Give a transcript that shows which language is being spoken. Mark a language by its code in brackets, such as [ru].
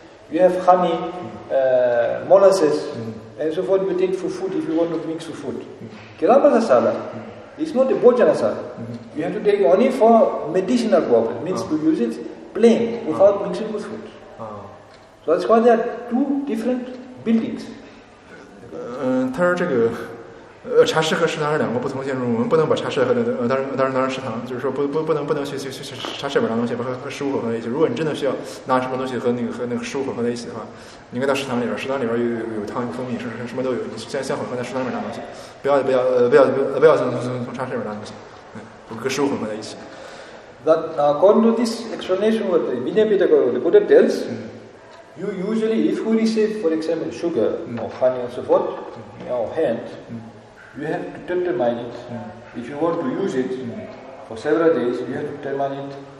[en] You have honey, molasses, and so forth. You take for food if you want to mix for food. Gilambasa sala is not a bhojana sala. You have to take only for medicinal purpose. Means to use it plain without mixing with food. So that's why there are two different buildings. [zh] 他说这个，茶室和食堂是两个不同建筑，我们不能把茶室和当然食堂，就是说不能去茶室里边拿东西和食物混合在一起。如果你真的需要拿什么东西和那个食物混合在一起的话，你应该到食堂里边，食堂里边有汤有蜂蜜，什么都有，你先混合在食堂里边拿东西，不要从茶室里边拿东西，和食物混合在一起。 [en] That according to this explanation, what the Vinaya Pitaka the Buddha tells. You usually, if we receive, for example, sugar or honey and so forth in our hand, you have to determine it. If you want to use it for several days, you have to determine it.